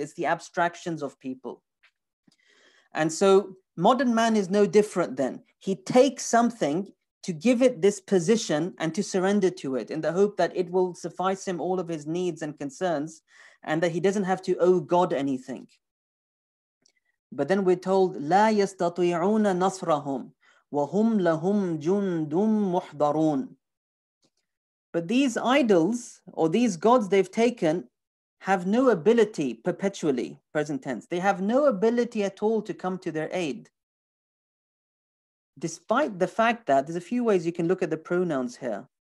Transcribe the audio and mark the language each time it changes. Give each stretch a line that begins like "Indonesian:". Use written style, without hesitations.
English: It's the abstractions of people. And so modern man is no different then. He takes something to give it this position and to surrender to it in the hope that it will suffice him all of his needs and concerns and that he doesn't have to owe God anything. But then we're told,
Arabic: لَا يَسْتَطِيعُونَ نَصْرَهُمْ وَهُمْ لَهُمْ جُنْدٌ مُحْضَرُونَ.
English: But these idols or these gods they've taken have no ability, perpetually, present tense. They have no ability at all to come to their aid. Despite the fact that, there's a few ways you can look at the pronouns here.